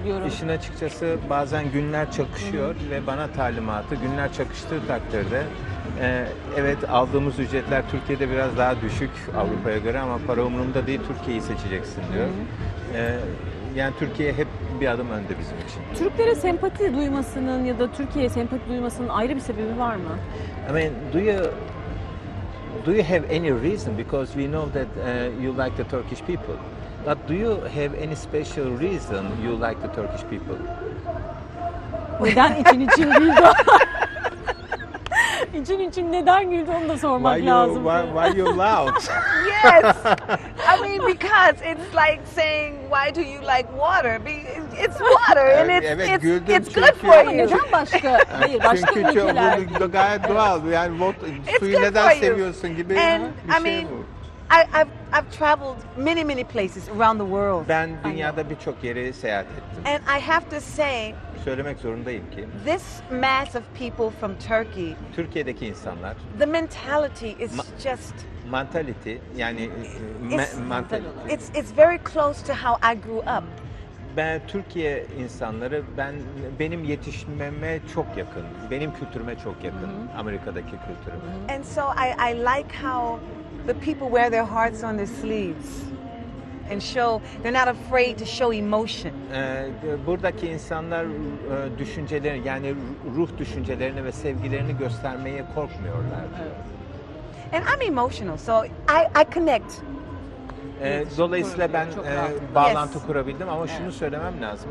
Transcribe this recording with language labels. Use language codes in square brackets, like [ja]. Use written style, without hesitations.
[tr] Dolayısıyla işin açıkçası bazen günler çakışıyor ve bana talimatı günler çakıştığı takdirde evet aldığımız ücretler Türkiye'de biraz daha düşük Avrupa'ya göre ama para umurumda değil Türkiye'yi seçeceksin diyor. Yani Türkiye hep bir adım önde bizim için. Türklere sempati duymasının ya da Türkiye'ye sempati duymasının ayrı bir sebebi var mı? [en] I mean, do you have any reason because we know that you like the Turkish people. But do you have any special reason you like the Turkish people? [tr] Neden için için güldü? İçin için neden güldü onu da sormak lazım. [en] Why you laugh? Yes. I mean because it's like saying why do you like water? It's water and it's good for you. [tr] Neden başka? Hayır, başka ülkeler. Çünkü bu gayet doğal. Yani suyu neden seviyorsun gibi bir şey bu. [en] I mean I've traveled many places around the world. [tr] Ben dünyada birçok yere seyahat ettim. [en] And I have to say [tr] söylemek zorundayım ki [en] this mass of people from Turkey [tr] Türkiye'deki insanlar [en] the mentality is just mentality yani mentality it's very close to how I grew up. [tr] Ben Türkiye insanları benim yetişmeme çok yakın. Benim kültürüme çok yakın. Mm-hmm. Amerika'daki kültürüme. Mm-hmm. [en] And so I like how the people wear their hearts on their sleeves and show they're not afraid to show emotion. [tr] Buradaki insanlar düşünceleri yani ruh düşüncelerini ve sevgilerini göstermeye korkmuyorlar. [en] And I'm emotional so I connect. [tr] Dolayısıyla ben bağlantı yes. kurabildim ama şunu söylemem lazım.